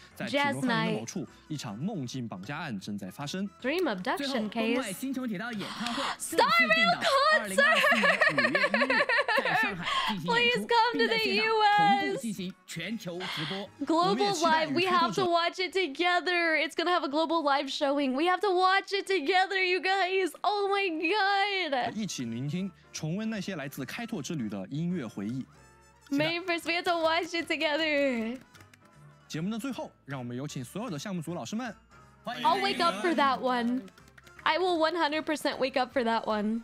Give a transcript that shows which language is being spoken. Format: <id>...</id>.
<zh>在匹诺康尼某处，一场梦境绑架案正在发生。</zh> <en>Dream Abduction Case。</en> <zh>最后，星穹铁道演唱会</zh> <en>，Star Rail Concert，</en> <zh>2024年5月1日在上海进行演出，并在现场同步进行全球直播。</zh> <en>Global Live, we have to watch it together. It's gonna have a global live showing. We have to watch it together, you guys. Oh my god!</en> <zh>一起聆听。重温那些来自开拓之旅的音乐回忆。</zh> <en>May first we have to watch it together.</en> <zh>节目的最后，让我们有请所有的项目组老师们。</zh> <en>I'll wake up for that one. I will 100% wake up for that one.</en>